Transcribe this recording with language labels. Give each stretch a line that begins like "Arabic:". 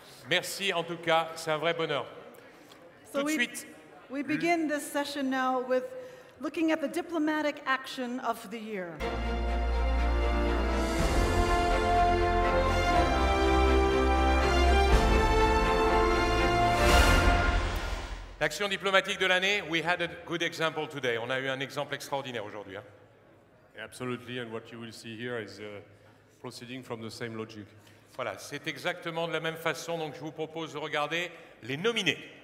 French: Merci en tout cas, c'est un vrai bonheur.
English: So
French: tout de suite.
English: We begin this session now with looking at the diplomatic action of the year.
French: L'action diplomatique de l'année,
English: we had a good example today.
French: On a eu un exemple extraordinaire aujourd'hui. Hein?
English: Absolutely, and what you will see here is proceeding from the same logic.
French: Voilà, c'est exactement de la même façon, donc je vous propose de regarder les nominés.